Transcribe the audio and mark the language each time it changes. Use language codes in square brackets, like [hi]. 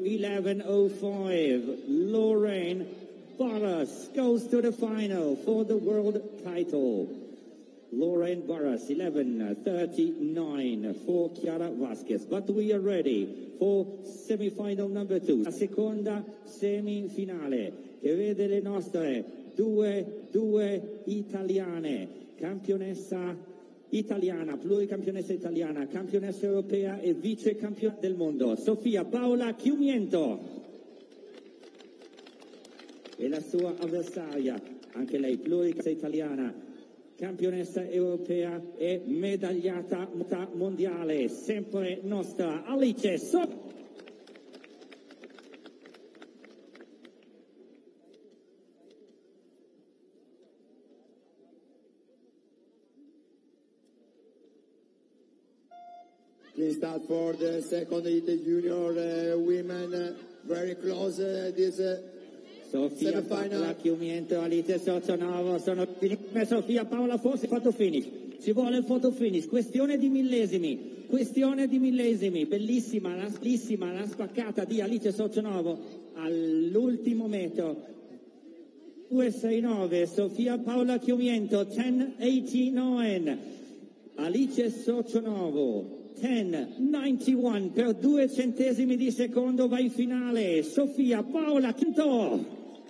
[en] 11:05. Lauren Barros goes to the final for the world title. Lauren Barros, 11:39 for Chiara Vasquez. But we are ready for semifinal number two. [it] La seconda semifinale che vede le nostre due italiane. Campionessa italiana, pluricampionessa italiana, campionessa europea e vice campione del mondo. Sofia Paola Chiumiento. E la sua avversaria, anche lei pluricampionessa italiana, campionessa europea e medagliata mondiale, sempre nostra, Alice Sof. [en] Please start for the second Italy junior women, very close this [it] Sofia Paola Chiumiento, Alice Sorzonovo, sono finite. Sofia Paola forse fatto finish, ci vuole il photo finish, questione di millesimi, bellissima la spaccata di Alice Sorzonovo all'ultimo metro. 2:69, Sofia Paola Chiumiento, 10:89, Alice Sorzonovo, 10:91, per 2 centesimi di secondo va in finale, Sofia Paola Chiumiento.